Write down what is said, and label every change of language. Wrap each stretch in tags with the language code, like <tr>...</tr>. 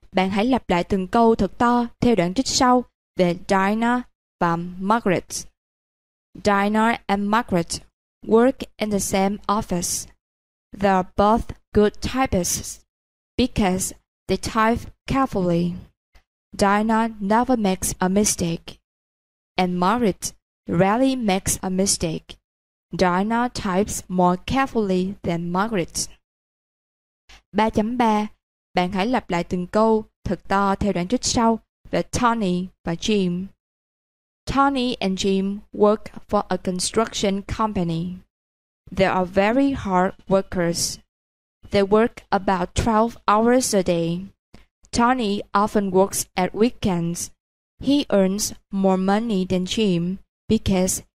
<vi>Bạn hãy lặp lại từng câu thật to theo đoạn trích sau về Dinah và Margaret.</vi> <en>Dinah and Margaret work in the same office. They are both good typists because they type carefully. Dinah never makes a mistake, and Margaret rarely makes a mistake. Dinah types more carefully than Margaret. 3.3.</en> <vi>Bạn hãy lặp lại từng câu thật to theo đoạn trích sau về Tony và Jim.</vi> <en>Tony and Jim work for a construction company. They are very hard workers. They work about 12 hours a day. Tony often works at weekends. He earns more money than Jim because</en>